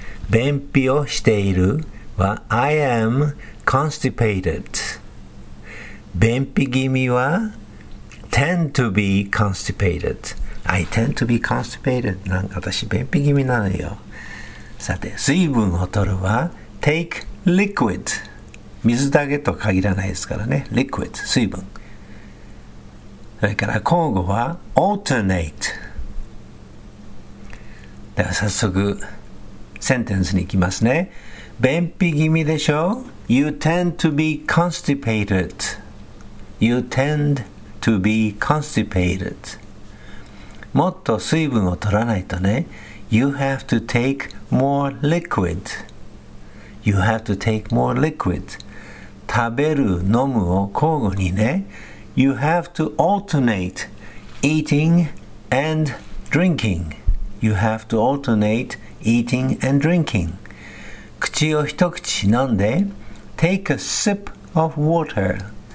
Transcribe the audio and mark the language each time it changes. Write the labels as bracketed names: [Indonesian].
[Japanese] 便秘をしているは [English] I am constipated. [Japanese] 便秘気味は [English] tend to be constipated. I tend to be constipated. [Japanese] なんか私便秘気味なのよ。さて、水分を取るは [English] take liquid. [Japanese] 水だけと限らないですからね。liquid 水分。それから交互は [English] alternate. [Japanese] では早速センテンスに行きますね。便秘気味でしょ。 [English] You tend to be constipated. You tend to be constipated. [Japanese] もっと水分を取らないとね。 [English] You have to take more liquid. You have to take more liquid. [Japanese] 食べる飲むを交互にね。 [English] You have to alternate eating and drinking. You have to alternate eating and drinking. [Japanese] 口を一口飲んで、 [English] take a sip of water.